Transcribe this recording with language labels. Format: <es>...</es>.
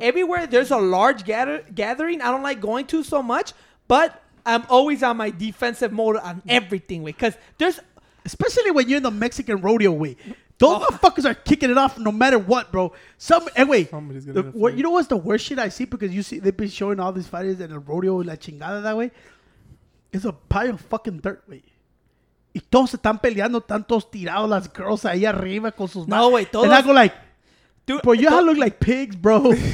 <en>Everywhere there's a large gathering, I don't like going to so much, but I'm always on my defensive mode on everything, way. Because there's. Especially when you're in the Mexican rodeo, way. Those motherfuckers are kicking it off no matter what, bro. You know what's the worst shit I see? Because you see, they've been showing all these fighters at a rodeo,</en> <es>la chingada,</es> <en>that way. It's a pile of fucking dirt, way.</en> <es>Y todos están peleando, tantos tirados, las girls ahí arriba con sus... No, güey, todos...</es> <en>And I go like, dude, bro, you all look like pigs, bro.</en>